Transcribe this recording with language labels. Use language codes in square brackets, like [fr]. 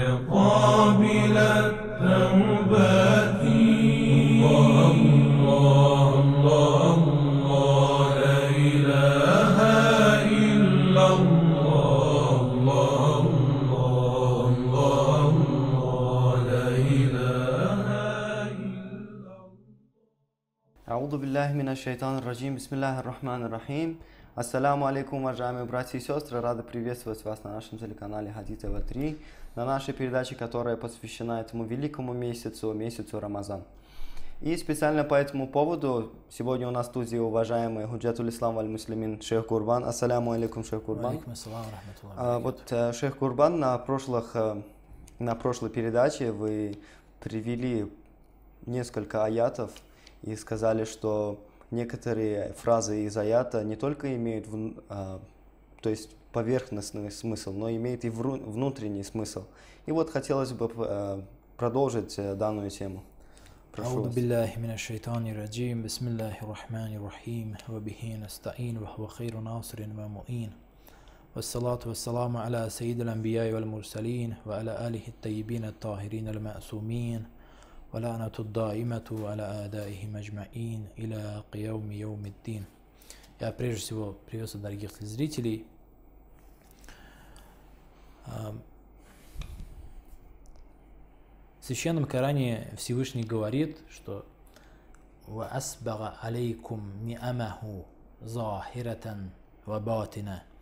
[ar] قابل التوبات الله الله الله لا إله إلا الله الله لا إله إلا الله. أعوذ بالله من الشيطان الرجيم. بسم الله الرحمن الرحيم. [ru] Ассаляму алейкум, уважаемые братья и сестры, рады приветствовать вас на нашем телеканале Хадит ТВ 3, на нашей передаче, которая посвящена этому великому месяцу, месяцу Рамазан. И специально по этому поводу сегодня у нас в студии уважаемый Худжатул Ислам валь Муслимин шейх Курбан. Ассаляму алейкум, шейх Курбан. Алейкум ассалам, рахматуллах. Вот шейх Курбан, на прошлой передаче вы привели несколько аятов и сказали, что некоторые фразы из аята не только имеют то есть поверхностный смысл, но имеют и внутренний смысл. И вот хотелось бы продолжить данную тему. [ar] أعوذ بالله من الشيطان الرجيم بسم الله الرحمن الرحيم وبه نستعين وهو خير ناصر ومؤين والصلاة والسلام على سيد الأنبياء والمرسلين وعلى آله الطيبين الطاهرين المعصومين ولعنة الدائمة على أعدائه مجمعين إلى قيام يوم الدين. [ru] Я прежде всего приветствую дорогих зрителей. В священном Коране Всевышний говорит, что [ar] وَأَسْبَغَ عَلَيْكُمْ نِعَمَهُ ظَاهِرَةً وَبَاطِنًا.